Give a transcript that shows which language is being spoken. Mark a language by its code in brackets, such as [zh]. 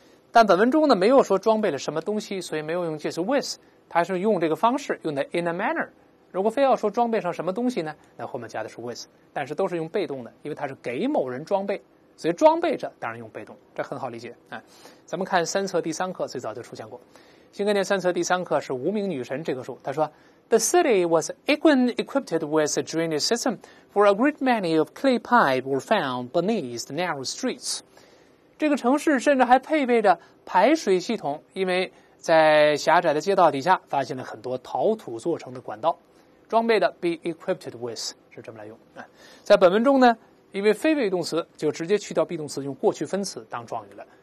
[zh] 但本文中呢没有说装备了什么东西，所以没有用介词 with， 它是用这个方式用的 [en] in a manner。 [zh] 如果非要说装备上什么东西呢，那后面加的是 with， 但是都是用被动的，因为它是给某人装备，所以装备着当然用被动，这很好理解。咱们看三册第三课，最早就出现过。新概念三册第三课是《无名女神》这个书，他说 [en] The city was equipped with a drainage system, for a great many of clay pipe were found beneath the narrow streets. [zh] 这个城市甚至还配备着排水系统，因为在狭窄的街道底下发现了很多陶土做成的管道。装备的 [en] be equipped with [zh] 是这么来用。在本文中呢，因为非谓动词就直接去掉 be 动词，用过去分词当状语了。